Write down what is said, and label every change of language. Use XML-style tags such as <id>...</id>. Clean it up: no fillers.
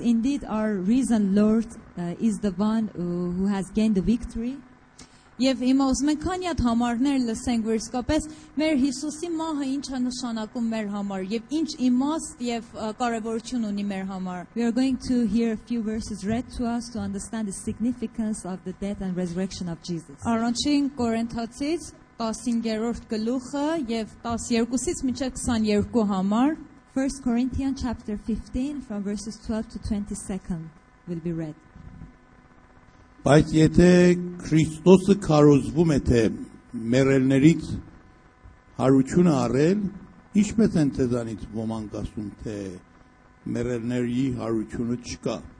<en>indeed, our risen Lord is the one who has gained the victory.</en> <hy>Եվ հիմա ուզում ենք քանի հատ համարներ լսենք, որ իսկապես մեր Հիսուսի մահը ինչ է նշանակում մեր համար եւ ինչ իմաստ եւ կարեւորություն ունի մեր համար.</hy> <en>We are going to hear a few verses read to us to understand the significance of the death and resurrection of Jesus.</en> <hy>Առաջին Կորինթացից 15-րդ գլուխը եւ 12-ից մինչեւ 22 համար</hy> <en>1 Corinthians chapter 15 from verses 12 to 22 will be read.</en> <hy>Բայց եթե Քրիստոսը կարոզվում է թե մեռելներից հարություն առել, ինչպես են ձեզանից ոմանք ասում թե մեռելների հարությունը չկա։</hy>